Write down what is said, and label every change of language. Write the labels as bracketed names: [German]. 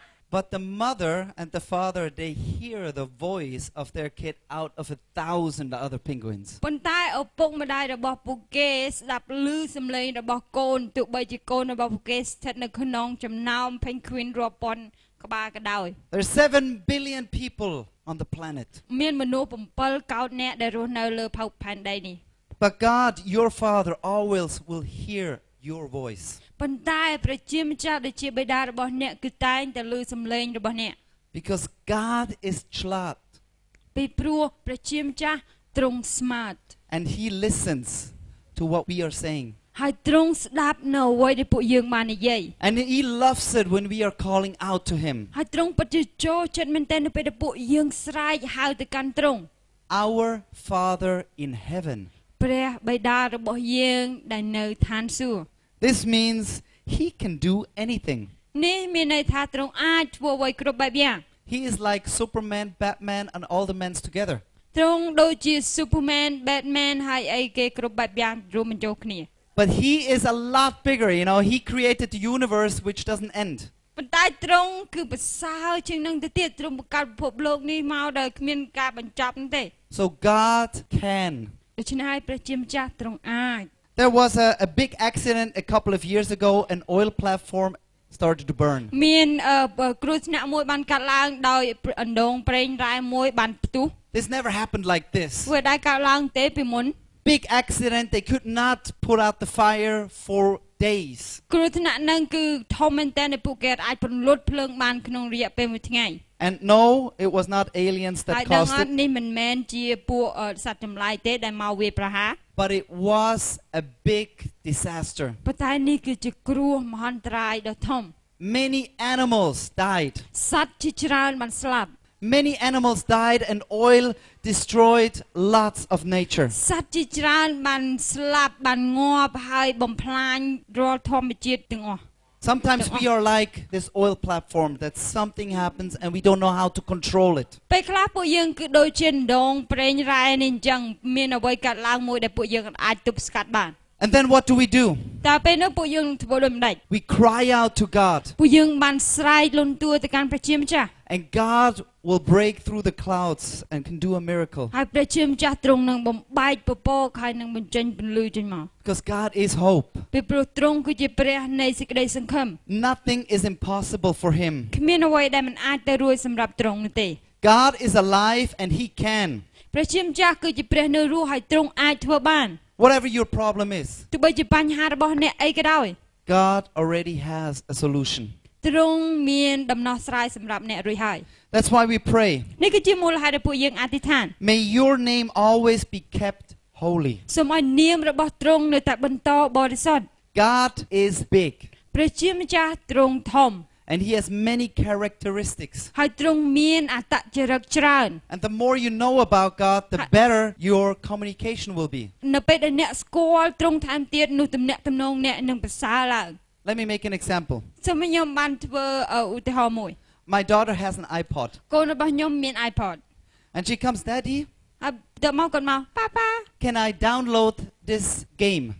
[English] But the mother and the father, they hear the voice of their kid out of 1,000 other penguins. [Khmer] ប៉ុន្តែឪពុកម្តាយរបស់ពួកគេស្តាប់ឮសំឡេងរបស់កូនទោះបីជាកូនរបស់ពួកគេស្ថិតនៅក្នុងចំណោម penguin រាប់ពាន់ក្បាលក៏ដោយ [English] There are 7 billion people on the planet. [Khmer] មានមនុស្ស7កោតអ្នកដែលរស់នៅលើភពផែនដីនេះ [English] But God, your father, always will hear your voice. [Khmer] ប៉ុន្តែព្រះជាម្ចាស់ដែលជាបិតារបស់អ្នកគឺតែងតែឮសំឡេងរបស់អ្នក [English] Because God is smart [Khmer] ពីព្រោះព្រះជាម្ចាស់ទ្រង់ smart [English] And he listens to what we are saying [Khmer] ហើយទ្រង់ស្ដាប់នៅអ្វីដែលពួកយើងបាននិយាយ [English] And he loves it when we are calling out to him [Khmer] ហើយទ្រង់ពិតជាចូលចិត្តមែនទែននៅពេលដែលពួកយើងស្រែកហៅទៅកាន់ទ្រង់ [English] Our Father in heaven [Khmer] ព្រះបិតារបស់យើងដែលនៅឋានសួគ៌ [English] This means he can do anything. [Khmer] នេះមានន័យថាទ្រង់អាចធ្វើអ្វីគ្រប់បែបយ៉ាង [English] He is like Superman, Batman and all the men together. [Khmer] ទ្រង់ដូចជា Superman, Batman ហើយអីគេគ្រប់បែបយ៉ាងរួមបញ្ចូលគ្នា [English] But he is a lot bigger, you know, he created the universe which doesn't end. [Khmer] ប៉ុន្តែទ្រង់គឺប្រសើរជាងនឹងទៅទៀតទ្រង់បង្កើតពិភពលោកនេះមកដោយគ្មានការបញ្ចប់ទេ [English] So God can. [Khmer] ដូច្នេះហើយព្រះជាម្ចាស់ទ្រង់អាច [English] There was a big accident a couple of years ago an oil platform started to burn. [Khmer] មានគ្រោះថ្នាក់មួយបានកើតឡើងដោយអណ្ដូងប្រេងរ៉ែមួយបានផ្ទុះ [English] This never happened like this. [Khmer] វាដែរកើតឡើងទេពីមុន [English] Big accident they could not put out the fire for days. [Khmer] គ្រោះថ្នាក់នឹងគឺធំមែនទែនពួកគេអាចពន្លត់ភ្លើងបានក្នុងរយៈពេលមួយថ្ងៃ [English] And no it was not aliens that caused it. [Khmer] នេះមិនមែនជាពួកសត្វចម្លែកទេដែលមកវាយប្រហារ [English] But it was a big disaster. [Khmer] ប៉ុន្តែនេះគឺជាគ្រោះមហន្តរាយដ៏ធំ [English] Many animals died. [Khmer] សត្វជាច្រើនបានស្លាប់ [English] Many animals died and oil destroyed lots of nature. [Khmer] សត្វជាច្រើនបានស្លាប់បានងាប់ហើយបំផ្លាញរាល់ធម្មជាតិទាំងអស់ [English] Sometimes we are like this oil platform that something happens and we don't know how to control it. [Khmer] ពេលខ្លះពួកយើងគឺដូចជាដងប្រេងរ៉ែនេះអញ្ចឹងមានអ្វីកើតឡើងមួយដែលពួកយើងអាចទប់ស្កាត់បាន [English] And then what do we do? [Khmer] តើពេលនោះពួកយើងធ្វើដូចម្តេច? [English] We cry out to God. [Khmer] ពួកយើងបានស្រែកលន់តួទៅកាន់ព្រះជាម្ចាស់ [English] And God will break through the clouds and can do a miracle. [Khmer] ហើយព្រះជាម្ចាស់ទ្រង់នឹងបំបែកពពកហើយនឹងបញ្ចេញពន្លឺចេញមក [English] Because God is hope. [Khmer] ពីព្រោះទ្រង់គឺជាព្រះនៃសេចក្តីសង្ឃឹម [English] Nothing is impossible for him. [Khmer] គ្មានអ្វីដែលមិនអាចទៅរួចសម្រាប់ទ្រង់នោះទេ [English] God is alive and he can. [Khmer] ព្រះជាម្ចាស់គឺជាព្រះនៅរស់ហើយទ្រង់អាចធ្វើបាន [English] Whatever your problem is. [Khmer] ទោះបីជាបញ្ហារបស់អ្នកអីក៏ដោយ [English] God already has a solution. [Khmer] ទ្រង់មានដំណោះស្រាយសម្រាប់អ្នករួចហើយ [English] That's why we pray [Khmer] នេះគឺជាមូលហេតុដែលពួកយើងអធិដ្ឋាន [English] May your name always be kept holy [Khmer] សូមឲ្យនាមរបស់ទ្រង់នៅតែបន្តបរិសុទ្ធ [English] God is big [Khmer] ព្រះជាម្ចាស់ទ្រង់ធំ [English] And he has many characteristics [Khmer] ហើយទ្រង់មានអត្តចរិតច្រើន [English] And the more you know about God the better your communication will be [Khmer] នៅពេលដែលអ្នកស្គាល់ទ្រង់ថែមទៀតនោះទំនាក់ទំនងអ្នកនឹងប្រសើរឡើង [English] Let me make an example. [Khmer] សូមខ្ញុំបានធ្វើឧទាហរណ៍មួយ [English] My daughter has an iPod. [Khmer] កូនរបស់ខ្ញុំមាន iPod. [English] And she comes daddy. [Khmer] អបដមកមក Papa. [English] Can I download this game?